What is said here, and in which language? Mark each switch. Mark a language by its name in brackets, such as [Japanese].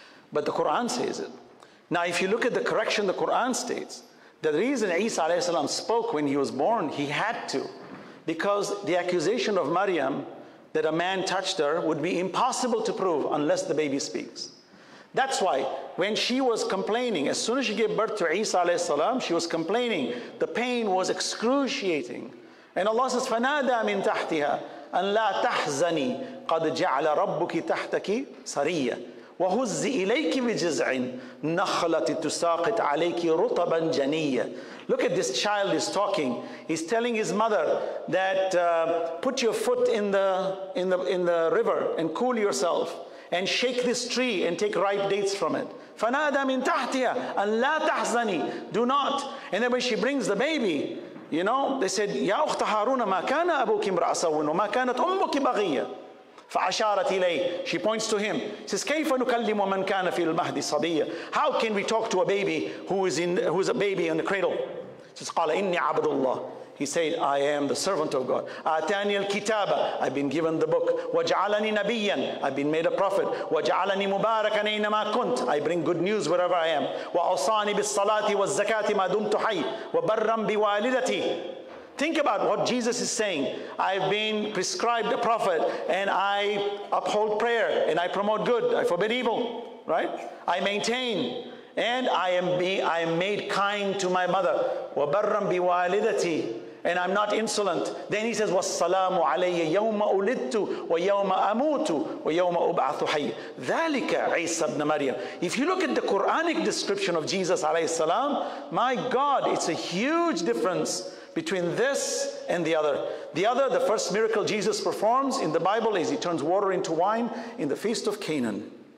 [English] But the Quran says it. Now, if you look at the correction, the Quran states, the reason Isa alayhi salam spoke when he was born, he had to, because the accusation of Maryam that a man touched her would be impossible to prove unless the baby speaks. That's why when she was complaining, as soon as she gave birth to Isa alayhi salam, she was complaining. The pain was excruciating. And Allah says, [Arabic] فَنَادَى مِن تَحْتِهَا أَن لَا تَحْزَنِي قَدْ جَعْلَ رَبُّكِ تَحْتَكِ سَرِيَّةً وَهُزِّ إِلَيْكِ بِجِزْعٍ نَخْلَةِ تُسَاقِطْ عَلَيْكِ رُطَبًا جَنِيًّا. [English] Look at this child is talking. He's telling his mother that put your foot in the river and cool yourself and shake this tree and take ripe dates from it. [Arabic] فَنَادَ مِن تَحْتِهَا أَن لَا تَحْزَنِي. [English] Do not. And then when she brings the baby, you know, they said, [Arabic] يَا أُخْتَ هَارُونَ مَا كَانَ أَبُوكِ امْرَأَ سَوْءٍ وَمَا كَانَتْ أُمُّكِ بَغِيًّا. فَعَشَارَتْ إِلَيْهِ. [English] She points to him. She says, [Arabic] كَيْفَ نُكَلِّمُ مَنْ كَانَ فِي الْمَهْدِ صَبِيًّا. [English] How can we talk to a baby who is a baby in the cradle? She says, [Arabic] قَالَ إِنِّي عَبْدُ اللَّهِ. [English] He said, I am the servant of God. [Arabic] أَتَانِيَ الْكِتَابَ. [English] I've been given the book. [Arabic] وَجَعَلَنِي نَبِيًّا. [English] I've been made a prophet. [Arabic] وَجَعَلَنِي مُبَارَكًا أَيْنَمَا كُنْتَ. [English] I bring good news wherever I am. [Arabic] وَأَوْصَانِي بِالصَّلَاةِ وَالزَّكَاةِ مَا دُمْتُ حَيٍّ. وَبَرًّا بِوَالِدَتِي. [English] Think about what Jesus is saying. I've been prescribed a prophet, and I uphold prayer, and I promote good, I forbid evil, right? I maintain, and I am made kind to my mother. [Arabic] وَبَرَّمْ بِوَالِدَتِي. [English] And I'm not insolent. Then he says, [Arabic] وَالسَّلَامُ عَلَيَّ يَوْمَ أُلِدْتُ وَيَوْمَ أَمُوتُ وَيَوْمَ أُبْعَثُ حَيِّ. ذَلِكَ عِيسَى بْنَ مَرْيَمَ. [English] If you look at the Quranic description of Jesus alayhi salam, my God, it's a huge difference between this and the other. The other, the first miracle Jesus performs in the Bible is he turns water into wine in the Feast of Canaan.